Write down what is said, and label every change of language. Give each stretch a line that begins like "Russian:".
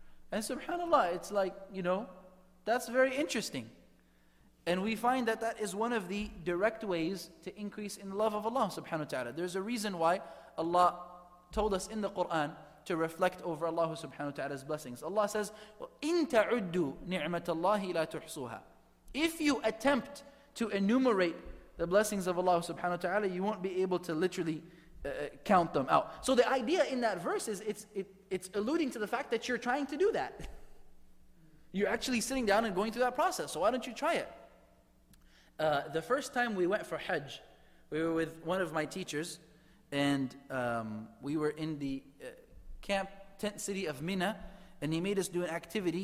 English: And subhanAllah, it's like, you know, that's very interesting. And we find that that is one of the direct ways to increase in the love of Allah subhanahu wa ta'ala. There's a reason why Allah told us in the Quran to reflect over Allah subhanahu wa ta'ala's blessings. Allah says,
Arabic: إِن تَعُدُّ نِعْمَةَ اللَّهِ لَا تُحْصُوهَا.
English: If you attempt to enumerate the blessings of Allah subhanahu wa ta'ala, you won't be able to literally count them out. So the idea in that verse is it's alluding to the fact that you're trying to do that. You're actually sitting down and going through that process. So why don't you try it? The first time we went for Hajj, we were with one of my teachers, and we were in the camp tent city of Mina, and he made us do an activity.